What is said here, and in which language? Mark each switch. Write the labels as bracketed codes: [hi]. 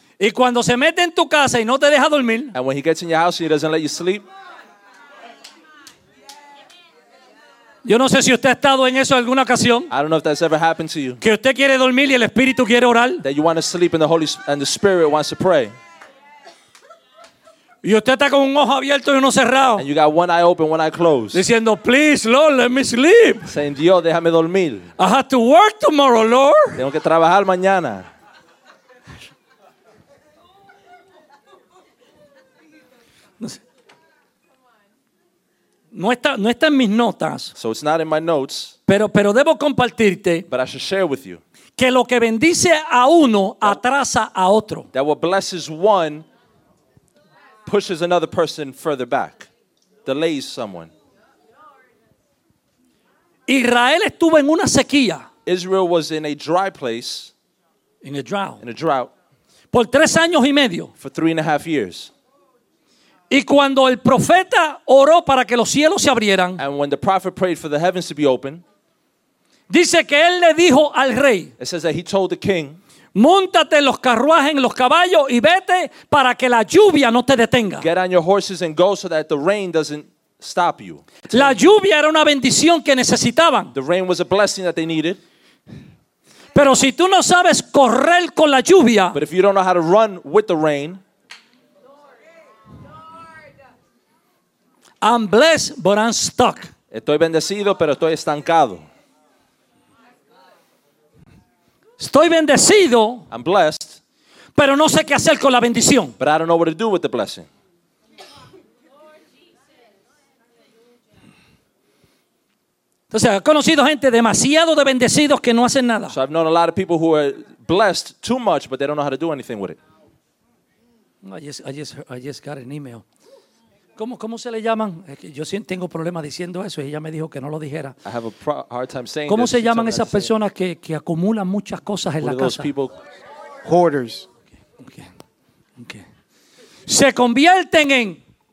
[es] Y cuando se mete en tu casa y no te deja dormir, [en] and when he gets in your house and he doesn't let you sleep. [es] Yo no sé si usted ha estado en eso alguna ocasión. [en] I don't know if that's ever happened to you. [es] Que usted quiere dormir y el Espíritu quiere orar. [en] That you want to sleep and the Spirit wants to pray. [es] Y usted está con un ojo abierto y uno cerrado. [en] And you got one eye open, one eye closed. Diciendo, please, Lord, let me sleep. [es] Saying, Dios, déjame dormir. [en] I have to work tomorrow, Lord. [es] Tengo que trabajar mañana. No está en mis notas. [en] So it's not in my notes. [es] Pero debo compartirte. [en] But I should share with you. [es] Que lo que bendice a uno atrasa a otro. [en] That what blesses one pushes another person further back. Delays someone. [es] Israel estuvo en una sequía. [en] Israel was in a dry place. In a drought. In a drought. [es] Por 3 años y medio. [en] For 3.5 years. [es] Y cuando el profeta oró para que los cielos se abrieran, [en] and when the prophet prayed for the heavens to be open, [es] dice que él le dijo al rey, [en] it says that he told the king, [es] móntate los carruajes en los caballos y vete para que la lluvia no te detenga. [en] Get on your horses and go so that the rain doesn't stop you. [es] La lluvia era una bendición que necesitaban. [en] The rain was a blessing that they needed. [es] Pero si tú no sabes correr con la lluvia, [en] but if you don't know how to run with the rain, I'm blessed, but I'm stuck. [es] Estoy bendecido, pero estoy estancado. Estoy bendecido. [en] I'm blessed. [es] Pero no sé qué hacer con la bendición. [en] But I don't know what to do with the blessing. [es] Entonces, he conocido gente demasiado de bendecidos que no hacen nada. [en] So I've known a lot of people who are blessed too much, but they don't know how to do anything with it. I just got an email. [es] ¿Cómo se le llaman? Es que yo tengo problemas diciendo eso y ella me dijo que no lo dijera. [en] I have a hard time saying [es] ¿cómo [en] this? [es] Se llaman esas personas que acumulan muchas cosas en [en] what [es] la casa? [en] People? Hoarders. [es] Okay. Se convierten en